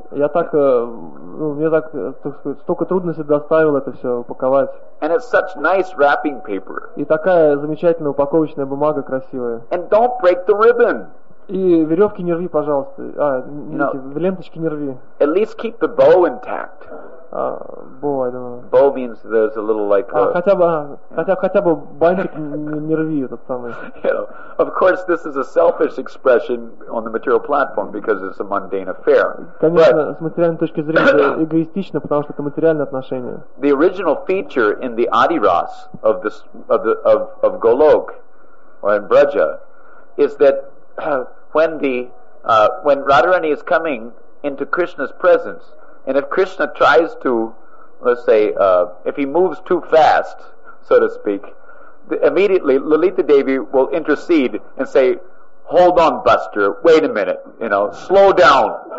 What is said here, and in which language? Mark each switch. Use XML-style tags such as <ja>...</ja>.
<ru>Я так, ну, мне так, так сказать, столько трудностей доставил это все упаковать.</ru> <en>And it's such nice wrapping paper.</en> <ru>И такая замечательная упаковочная бумага красивая.</ru> <en>And don't break the ribbon.</en> <ru>И веревки не рви, пожалуйста. А, нити, ленточки не рви.</ru> <en>At least keep the bow intact. Bow, I don't know. Bow means there's a little like.</en> <ru>Хотя бы бантик не рви этот самый.</ru> <en>You know, of course, this is a selfish expression on the material platform because it's a mundane affair.</en> <ru>Конечно, с материальной точки зрения это эгоистично, потому что это материальные отношения.</ru> <en>The original feature in the Adiras of Golok or in Braja is that when Radharani is coming into Krishna's presence, and if Krishna tries to, let's say, if he moves too fast, so to speak, immediately Lalita Devi will intercede and say, "Hold on, Buster, wait a minute, you know, slow down."</en>